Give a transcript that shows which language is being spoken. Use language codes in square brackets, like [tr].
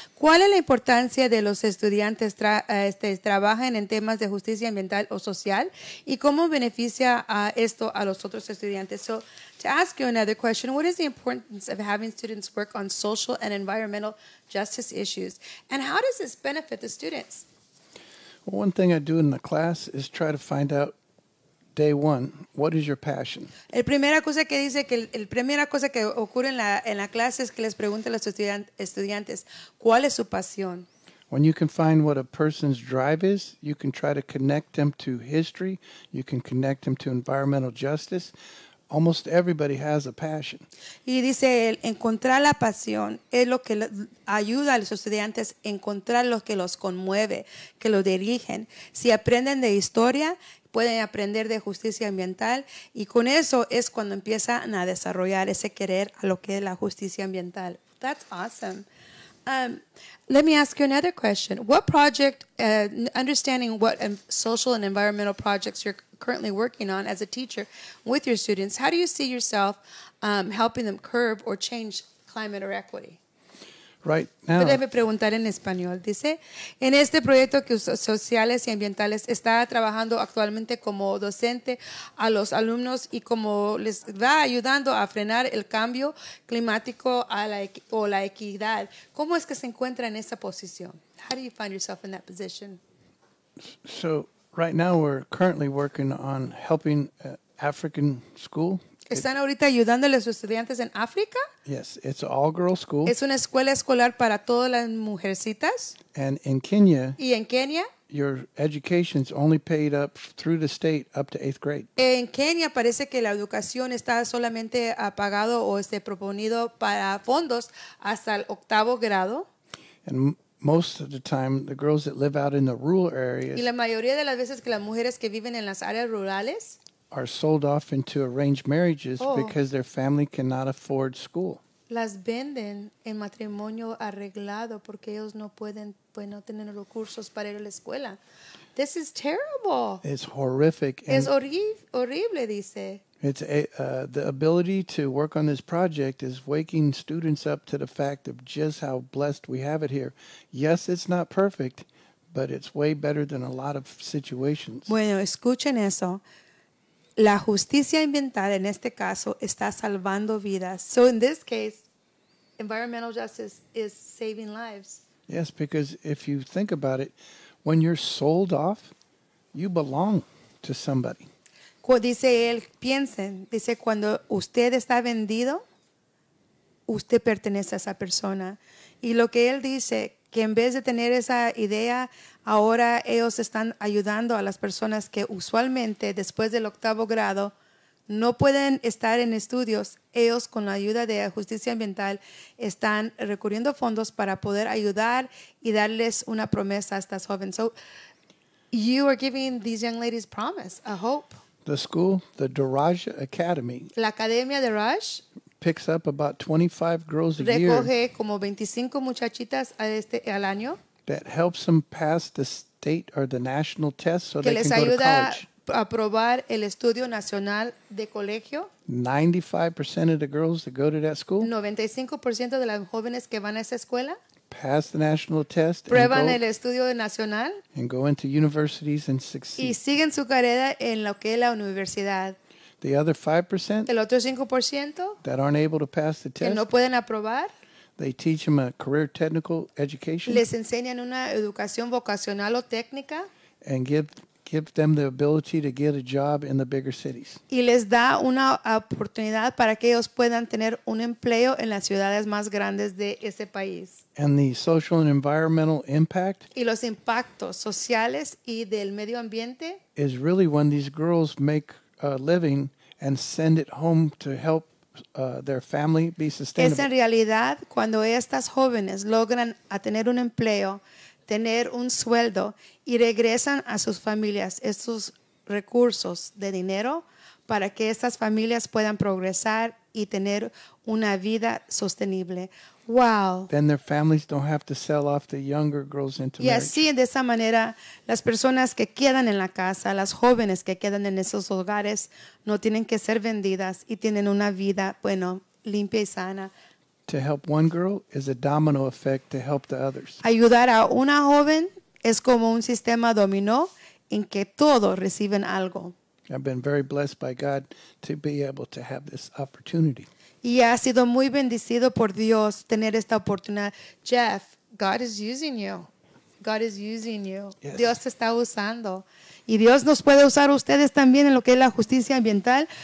[es] ¿Cuál es la importancia de los estudiantes trabajen en temas de justicia ambiental o social y cómo beneficia beneficia esto a los otros estudiantes. [en] So to ask you another question, what is the importance of having students work on social and environmental justice issues? And how does this benefit the students? Well, one thing I do in the class is try to find out day one, what is your passion? [es] El primera cosa que dice que el primera cosa que ocurre en la clase es que les pregunte a los estudiantes, ¿cuál es su pasión? [en] When you can find what a person's drive is, you can try to connect them to history, you can connect them to environmental justice. Almost everybody has a passion. [es] Y dice él, encontrar la pasión es lo que ayuda a los estudiantes a encontrar lo que los conmueve, que los dirigen. Si aprenden de historia, pueden aprender de justicia ambiental, y con eso es cuando empiezan a desarrollar ese querer a lo que es la justicia ambiental. [en] That's awesome. Let me ask you another question. What project, understanding what social and environmental projects you're currently working on as a teacher with your students, how do you see yourself helping them curb or change climate or equity? Right now. [es] Debe preguntar en español. Dice, en este proyecto que sociales y ambientales está trabajando actualmente como docente a los alumnos y como les va ayudando a frenar el cambio climático a la o la equidad. ¿Cómo es que se encuentra en esa posición? [en] How do you find yourself in that position? So right now we're currently working on helping African school. [es] ¿Están ahorita ayudando a los estudiantes en África? [en] Yes, it's an all-girl school. [es] ¿Es una escuela escolar para todas las mujercitas? [en] And in Kenya, [es] ¿y en Kenia? [en] Your education's only paid up through the state up to eighth grade. [es] En Kenia parece que la educación está solamente pagado o este proponido para fondos hasta el octavo grado. [en] And most of the time, the girls that live out in the rural areas, [es] y la mayoría de las veces que las mujeres que viven en las áreas rurales, [en] are sold off into arranged marriages because their family cannot afford school. [es] Las venden en matrimonio arreglado porque ellos no pueden, pues no tienen recursos para ir a la escuela. [en] This is terrible. It's horrific. [es] Es horrible, dice. [en] It's the ability to work on this project is waking students up to the fact of just how blessed we have it here. Yes, it's not perfect, but it's way better than a lot of situations. [es] Bueno, escuchen eso. La justicia ambiental, en este caso, está salvando vidas. [en] So in this case, environmental justice is saving lives. Yes, because if you think about it, when you're sold off, you belong to somebody. [es] Dice él, piensen, dice, cuando usted está vendido, usted pertenece a esa persona. Y lo que él dice, que en vez de tener esa idea, ahora ellos están ayudando a las personas que usualmente después del octavo grado no pueden estar en estudios. Ellos con la ayuda de justicia ambiental están recurriendo fondos para poder ayudar y darles una promesa a estas jóvenes. [en] So you are giving these young ladies promise, a hope. The school, the Diraj Academy. [es] La Academia de Diraj. [en] Picks up about 25 girls a [es] recoge Recoge como 25 muchachitas a este, al año. [en] That helps them pass the state or the national test so they can go to college. [es] Que les ayuda a aprobar el estudio nacional de colegio. [en] 95% of the girls that go to that school. [es] 95% de las jóvenes que van a esa escuela. [en] Pass the national test. [es] Prueban [en] and go, [es] el estudio nacional. [en] And go into universities and succeed. [es] Y siguen su carrera en lo que es la universidad. [en] The other 5%. [es] El otro 5%. [en] That aren't able to pass the test. [es] Que no pueden aprobar. [en] They teach them a career technical education. [es] Les enseñan una educación vocacional o técnica. [en] And give them the ability to get a job in the bigger cities. [es] Y les da una oportunidad para que ellos puedan tener un empleo en las ciudades más grandes de ese país. [en] And the social and environmental impact. [es] Y los impactos sociales y del medio ambiente. [en] Is really when these girls make a living and send it home to help their family be sustainable. [es] Es en realidad cuando estas jóvenes logran a tener un empleo, tener un sueldo y regresan a sus familias estos recursos de dinero para que estas familias puedan progresar y tener una vida sostenible. Wow. [en] Then their families don't have to sell off the younger girls into marriage. [es] Y así, de esa manera, las personas que quedan en la casa, las jóvenes que quedan en esos hogares, no tienen que ser vendidas y tienen una vida, bueno, limpia y sana. [en] To help one girl is a domino effect to help the others. [es] Ayudar a una joven es como un sistema dominó en que todos reciben algo. [en] I've been very blessed by God to be able to have this opportunity. [es] Y ha sido muy bendecido por Dios tener esta oportunidad. [en] Jeff, God is using you. God is using you. Yes. [es] Dios te está usando. Y Dios nos puede usar a ustedes también en lo que es la justicia ambiental.